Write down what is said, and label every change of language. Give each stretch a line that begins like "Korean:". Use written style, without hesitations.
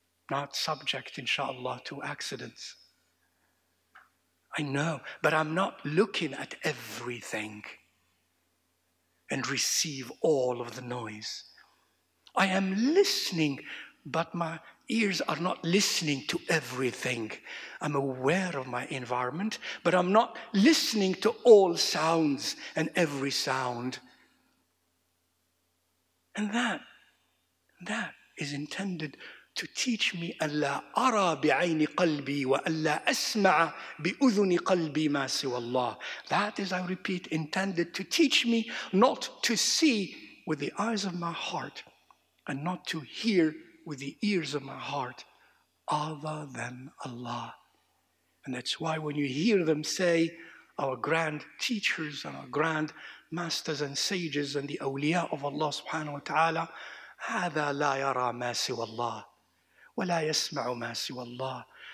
English: Not subject, inshallah, to accidents. I know, but I'm not looking at everything and receive all of the noise. I am listening, but my ears are not listening to everything. I'm aware of my environment, but I'm not listening to all sounds and every sound. And that is intended to teach me
Arabic: أن لا أرى بعين قلبي وأن لا أسمع بأذن قلبي ما سوى الله.
English: That is, I repeat, intended to teach me not to see with the eyes of my heart and not to hear with the ears of my heart other than Allah. And that's why when you hear them say, our grand teachers and our grand masters and sages and the awliya of Allah subhanahu wa ta'ala,
Arabic: هذا لا يرى ما سوى الله وَلَا يَسْمَعُ مَا سِوَى اللَّهِ.